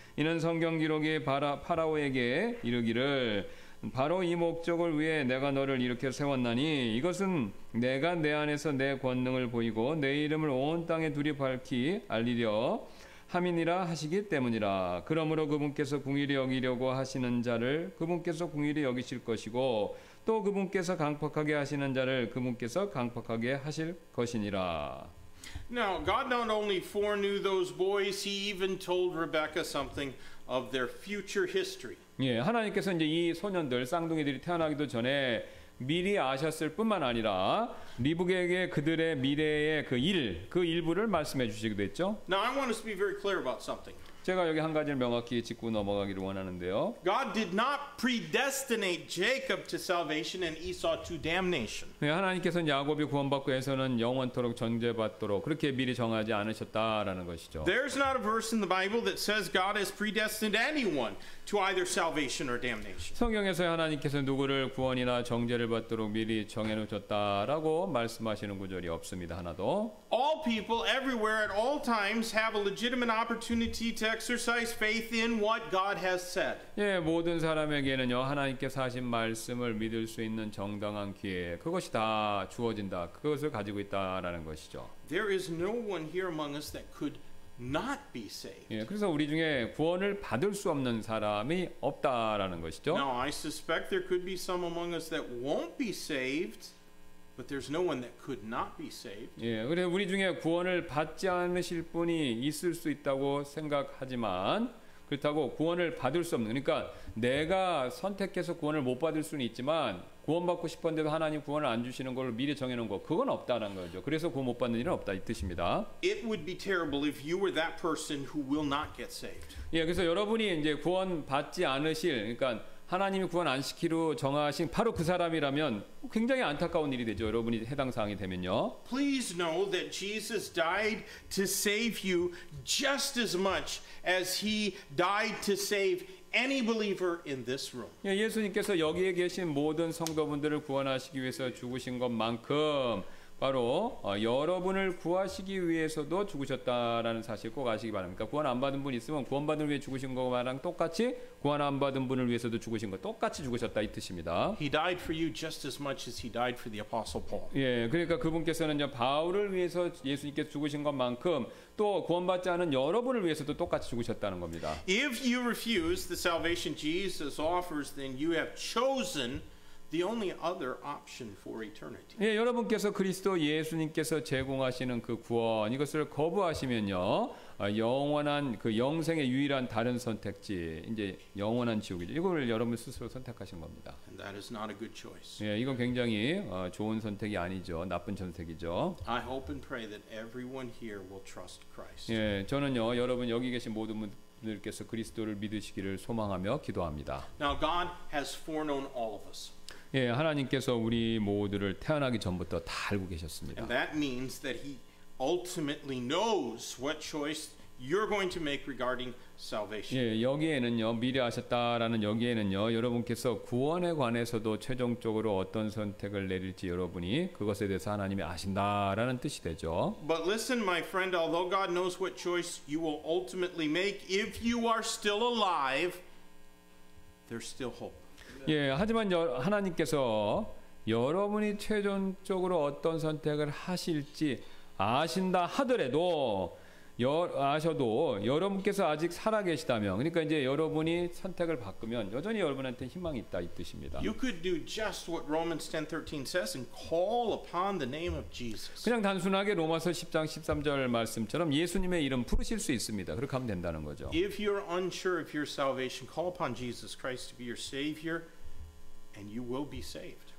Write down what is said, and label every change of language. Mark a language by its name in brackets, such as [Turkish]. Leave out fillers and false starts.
[Korean] 이는 성경 기록에 파라오에게 이르기를 바로 이 목적을 위해 내가 너를 이렇게 세웠나니 이것은 내가 내 안에서 내 권능을 보이고 내 이름을 온 땅에 두리 밝히 알리려 함이니라 하시기 때문이라. 그러므로 그분께서 궁휼히 여기려고 하시는 자를 그분께서 궁휼히 여기실 것이고 또 그분께서 강퍅하게 하시는 자를 그분께서 강퍅하게 하실 것이니라. [English] Now God not only foreknew those boys, he even told Rebecca something of their future history. [Korean] 예, 하나님께서 이제 이 소년들 쌍둥이들이 태어나기도 전에 미리 아셨을 뿐만 아니라 리브에게 그들의 미래의 그 일, 그 일부를 말씀해 주시기도 했죠. [English] Now I want us to be very clear about something. [Korean] 제가 여기 한 가지를 명확히 짚고 넘어가기를 원하는데요. [English] God did not predestinate Jacob to salvation and Esau to damnation. [Korean] 네, 하나님께서는 야곱이 구원받고 에서는 영원토록 정죄받도록 그렇게 미리 정하지 않으셨다라는 것이죠. [English] There's not a verse in the Bible that says God has predestined anyone to either salvation or damnation. [Korean] 성경에서 하나님께서 누구를 구원이나 정죄를 받도록 미리 정해 놓으셨다라고 말씀하시는 구절이 없습니다. 하나도. [English] All people everywhere at all times have a legitimate opportunity to exercise faith in what God has said. [Korean] 예, 모든 사람에게는요. 하나님께서 하신 말씀을 믿을 수 있는 정당한 기회 그것이 다 주어진다. 그것을 가지고 있다라는 것이죠. [English] There is no one here among us that could not be saved. [Korean] 예, 그래서 우리 중에 구원을 받을 수 없는 사람이 없다라는 것이죠. [English] Now I suspect there could be some among us that won't be saved, but there's no one that could not be saved. [Korean] 예, 그래 우리 중에 구원을 받지 않으실 분이 있을 수 있다고 생각하지만 그렇다고 구원을 받을 수 없는 그러니까 내가 선택해서 구원을 못 받을 수는 있지만 구원받고 싶은데도 하나님 구원을 안 주시는 걸 미리 정해놓은 거 그건 없다는 거죠. 그래서 구원 못 받는 일은 없다 이 뜻입니다. [English] It would be terrible if you were that person who will not get saved. [Korean] 예, 그래서 여러분이 이제 구원 받지 않으실 그러니까 하나님이 구원 안 시키로 정하신 바로 그 사람이라면 굉장히 안타까운 일이 되죠. 여러분이 해당 사항이 되면요. [English] Please know that Jesus died to save you just as much as he died to save any believer in this room. [Korean] 예수님께서 여기에 계신 모든 성도분들을 구원하시기 위해서 죽으신 것만큼 바로 여러분을 구하시기 위해서도 죽으셨다라는 사실 꼭 아시기 바랍니다. 구원 안 받은 분 있으면 구원 받은 위해 죽으신 것과랑 똑같이 구원 안 받은 분을 위해서도 죽으신 것 똑같이 죽으셨다 이 뜻입니다. [English] He died for you just as much as he died for the apostle Paul. [Korean] 예, 그러니까 그분께서는요 바울을 위해서 예수님께서 죽으신 것만큼 또 구원받지 않은 여러분을 위해서도 똑같이 죽으셨다는 겁니다. [English] If you refuse the salvation Jesus offers, then you have chosen the only other option for eternity. [Korean] 예, 여러분께서 그리스도 예수님께서 제공하시는 그 구원 이것을 거부하시면요 영원한 그 영생의 유일한 다른 선택지 이제 영원한 지옥이죠. 이거를 여러분 스스로 선택하신 겁니다. [English] And that is not a good choice. [Korean] 예, 이건 굉장히 좋은 선택이 아니죠. 나쁜 선택이죠. [English] I hope and pray that everyone here will trust Christ. [Korean] 예, 저는요 여러분 여기 계신 모든 분들께서 그리스도를 믿으시기를 소망하며 기도합니다. [English] Now God has foreknown all of us. [Korean] 예, 하나님께서 우리 모두를 태어나기 전부터 다 알고 계셨습니다. [English] And that means that he ultimately knows what choice you're going to make regarding salvation. [Korean] 예, 여기에는요, 미리 아셨다라는 여기에는요, 여러분께서 구원에 관해서도 최종적으로 어떤 선택을 내릴지 여러분이 그것에 대해서 하나님이 아신다라는 뜻이 되죠. [English] But listen, my friend, although God knows what choice you will ultimately make, if you are still alive, there's still hope. [Korean] 예, 하지만 하나님께서 여러분이 최종적으로 어떤 선택을 하실지 아신다 하더라도 아셔도 여러분께서 아직 살아계시다면 그러니까 이제 여러분이 선택을 바꾸면 여전히 여러분한테 희망이 있다 이 뜻입니다. [English] You could do just what Romans 10:13 says and call upon the name of Jesus. [Korean] 그냥 단순하게 로마서 10장 13절 말씀처럼 예수님의 이름 부르실 수 있습니다. 그렇게 하면 된다는 거죠. [English] If you're unsure of your salvation, call upon Jesus Christ to be your savior and you will be saved.